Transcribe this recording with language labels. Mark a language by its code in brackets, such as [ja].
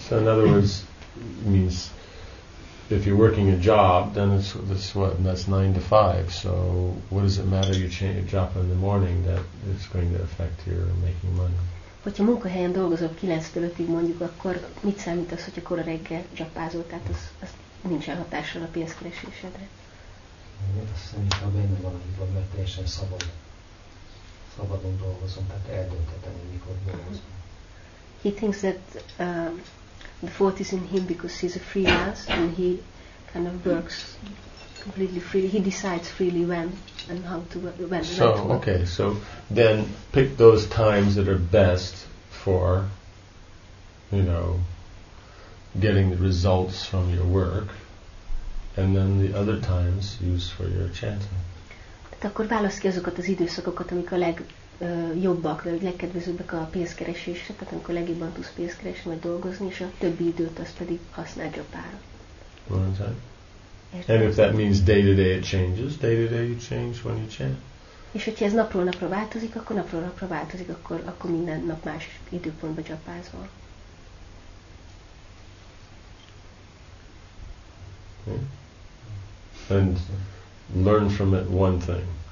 [en] So in other words, means if you're working a job, then that's 9 to 5. So what does it matter you change your job in the morning that it's going to affect your making money? [hu] Hogyha munkahelyen dolgozol 9-től 5-ig mondjuk, akkor mit számít az, hogyha kora reggel gyapázol? Tehát az nincsen hatással a pénzkeresésedre. Mert azt szerintem benne van a hibban, mert teljesen szabadon dolgozom, tehát eldöntetem, hogy mikor dolgozom. [en] He thinks that the fault is in him because he's a freelance and he kind of works completely freely. He decides freely when and how to work. So then pick those times that are best for, you know, getting the results from your work, and then the other times used for your chanting. [hu] Tehát akkor válasz ki azokat az időszakokat, amik a legjobbak, vagy legkedvezőbbek a pénzkeresésre, tehát amikor legjobban tudsz pénzt keresni, vagy dolgozni, és a többi időt azt pedig használd jobbára. [en] And if that means day-to-day it changes, day-to-day you change when you chant. [hu] És hogyha ez napról napra változik, akkor napról napra változik, akkor minden nap más időpontban jobbázol. [en] Okay. And learn from it one thing.